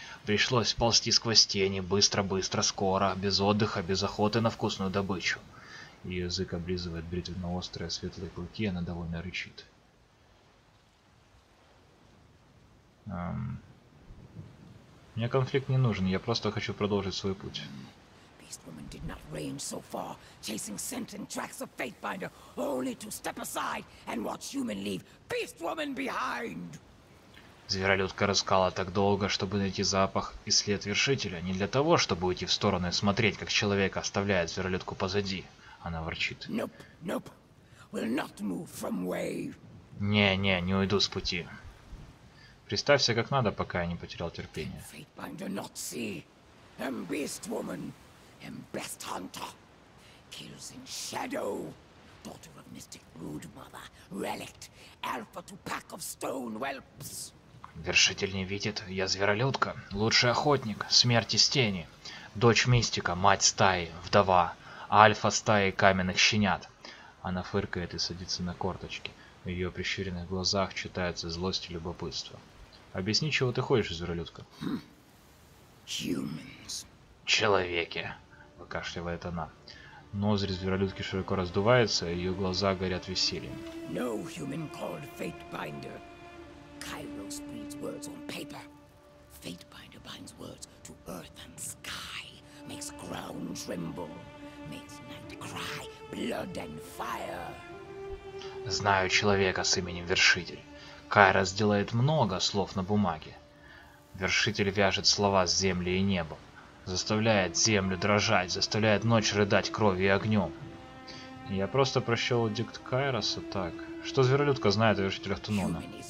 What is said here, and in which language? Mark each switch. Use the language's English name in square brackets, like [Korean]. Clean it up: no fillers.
[Russian] Пришлось ползти сквозь тени, быстро-быстро, скоро, без отдыха, без охоты на вкусную добычу. Ее язык облизывает бритвенно острые светлые клыки, она довольно рычит. Мне конфликт не нужен, я просто хочу продолжить свой путь. [English] Beastwoman did not range so far, chasing scent and tracks of Fatebinder, only to step aside and watch human leave Beastwoman behind. [Russian] Зверолюдка рыскала так долго, чтобы найти запах и след вершителя, не для того, чтобы уйти в сторону и смотреть, как человек оставляет зверолюдку позади. Она ворчит. [English] Nope, nope, will not move from way. [Russian] Не уйду с пути. Представься как надо, пока я не потерял терпение. [English] Fatebinder not see, am Beastwoman. And best hunter kills in shadow, daughter of mystic brood mother, relict, alpha to pack of stone whelps. [Russian] Вершитель не видит, я зверолюдка, лучший охотник, смерть из тени, дочь мистика, мать стаи, вдова, альфа стаи каменных щенят. Она фыркает и садится на корточки. В ее прищуренных глазах читается злость и любопытство. Объясни, чего ты хочешь, зверолюдка? [English] Humans. [Russian] Человеки. Кашляет она. Ноздри зверолюдки широко раздуваются, ее глаза горят весельем. [English] No human called Fatebinder. Kairos breeds words on paper. Fatebinder binds words to earth and sky, makes ground tremble, makes night cry, blood and fire. [Russian] Знаю человека с именем Вершитель. Кайрос делает много слов на бумаге. Вершитель вяжет слова с земли и неба. Заставляет землю дрожать, заставляет ночь рыдать кровью и огнем. Я просто прочел дикт Кайроса так. Что зверолюдка знает о вершителях Тунона?